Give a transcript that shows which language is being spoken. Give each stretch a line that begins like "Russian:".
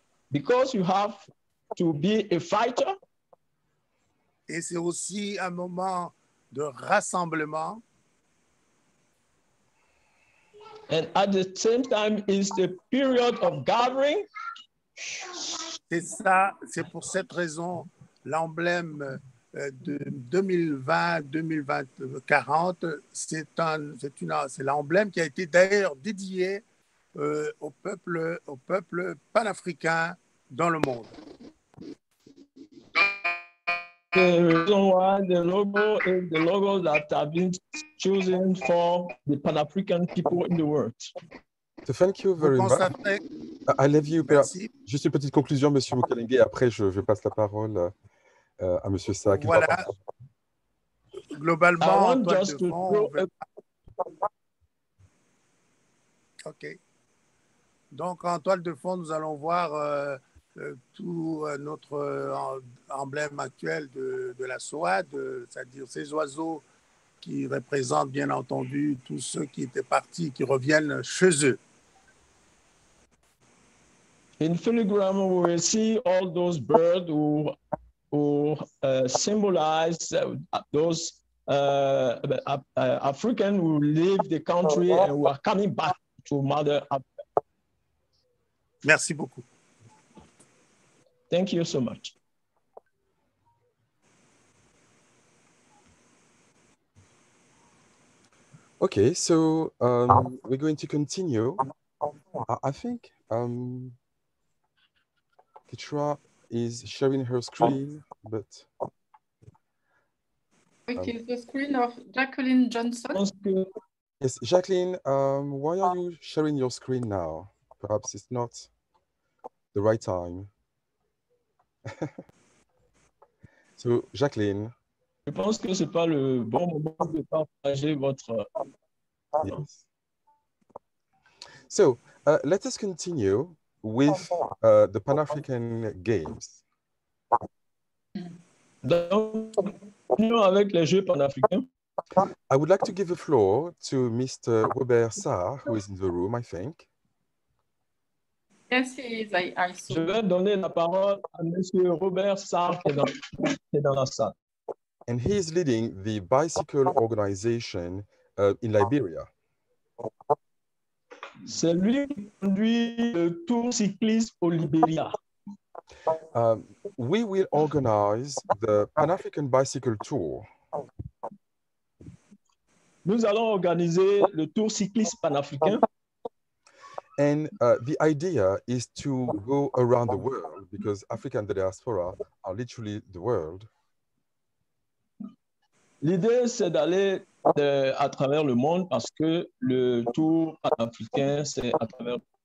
English: Because you have to be a fighter.
French: Et c'est aussi un moment de rassemblement.
English: And at the same time, it's the period of gathering.
French: C'est ça, c'est pour cette raison l'emblème de 2020-2040, c'est l'emblème qui a été d'ailleurs dédié au peuple panafricain dans le monde.
English: The reason why the logo is the logo that has been chosen for the Pan-African people in the world. So thank you very much. I love you.
French: Merci. Juste une petite conclusion, Monsieur Mukalenge. Après, je passe la parole à Monsieur Sack. Voilà. Globalement, Donc, en toile de fond, nous allons voir tout notre emblème actuel de la SOAD, c'est-à-dire ces oiseaux qui représentent bien entendu tous ceux qui étaient partis, qui reviennent chez eux.
English: In filigram, we will see all those birds who symbolize those Africans who leave the country and who are coming back to Mother Africa.
French: Merci beaucoup.
English: Thank you so much. Okay, so we're going to continue. I think Kitra is sharing her screen, but it is the screen of Jacqueline Johnson. Yes, Jacqueline, why are you sharing your screen now? Perhaps it's not the right time. So, Jacqueline.
French: Je pense que c'est pas le bon moment de partager votre.
English: Yes. So, let us continue with the Pan-African Games.
French: Donc, avec les Jeux Pan-Africains.
English: I would like to give the floor to Mr. Robert Sarr, who is in the room, I think. Yes, he is. I saw.
French: Je vais donner la parole à Monsieur Robert Sarr qui est dans la salle.
English: And he is leading the bicycle organization in Liberia.
French: C'est lui qui conduit le tour cycliste au Liberia.
English: We will organize the Pan-African Bicycle Tour.
French: Nous allons organiser le tour cycliste panafricain.
English: And the idea is to go around the world because Africa and the diaspora are literally the world.
French: L'idée c'est d'aller à travers le monde parce que le tour panafricain c'est à travers.